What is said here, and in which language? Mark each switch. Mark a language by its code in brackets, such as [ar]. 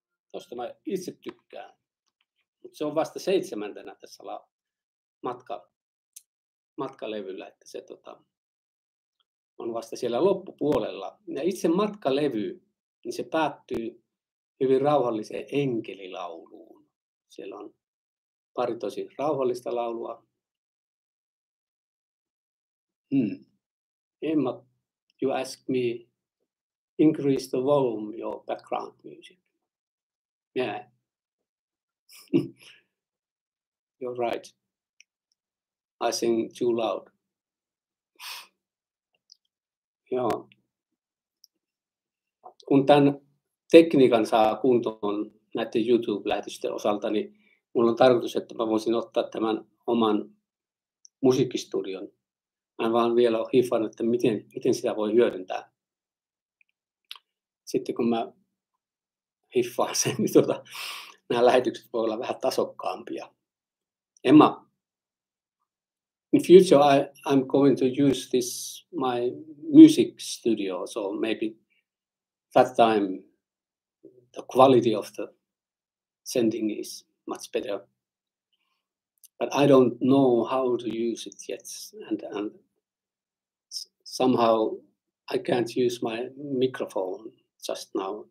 [fi] Tuosta mä itse tykkään. Mutta se on vasta seitsemäntenä tässä matkalevyllä, että se on vasta siellä loppupuolella. Ja itse matkalevy, niin se päättyy hyvin rauhalliseen enkelilauluun. Siellä on pari tosi rauhallista laulua. [en] Emma, you ask me, increase the volume, your background music. Yeah. You're right. I sing too loud. [fi] Joo. Kun tämän tekniikan saa kuntoon näiden YouTube-lähetysten osalta, niin mulla on tarkoitus, että mä voisin ottaa tämän oman musiikkistudion. Mä en vaan vielä ole hiffannut, että miten sitä voi hyödyntää. Sitten kun mä hiffaan sen, niin nämä lähetykset voi olla vähän tasokkaampia. Emma. [en] In future, I'm going to use this my music studio, so maybe that time the quality of the sending is much better. But I don't know how to use it yet, and somehow I can't use my microphone just now.